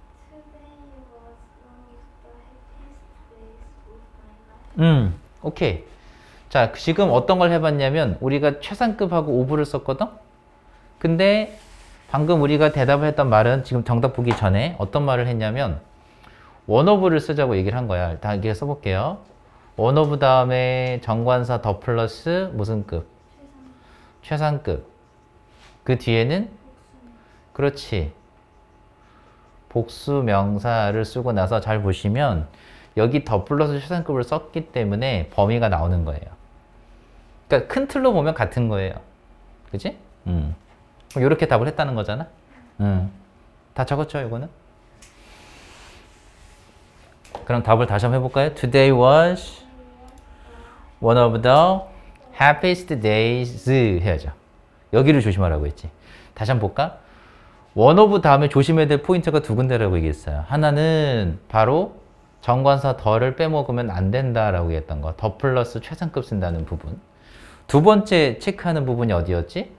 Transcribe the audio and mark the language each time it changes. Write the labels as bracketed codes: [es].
[en] Today was one of the happiest days of my life. [ko] 자, 지금 어떤 걸 해봤냐면 우리가 최상급하고 오브를 썼거든? 근데 방금 우리가 대답을 했던 말은 지금 정답 보기 전에 어떤 말을 했냐면 [en] one of [ko] 를 쓰자고 얘기를 한 거야. 일단 이렇게 써볼게요. [en] one of [ko] 다음에 정관사 더 플러스 무슨 급? 최상급. 그 뒤에는? 그렇지. 복수 명사를 쓰고 나서 잘 보시면 여기 더 플러스 최상급을 썼기 때문에 범위가 나오는 거예요. 그러니까 큰 틀로 보면 같은 거예요. 그치? 이렇게 답을 했다는 거잖아. 다 적었죠, 이거는? 그럼 답을 다시 한번 해볼까요? [en] Today was one of the happiest days [ko] 해야죠. 여기를 조심하라고 했지. 다시 한번 볼까? [en] One of [ko] 다음에 조심해야 될 포인트가 두 군데라고 얘기했어요. 하나는 바로 정관사 더를 빼먹으면 안 된다라고 얘기했던 거. 더 플러스 최상급 쓴다는 부분. 두 번째 체크하는 부분이 어디였지?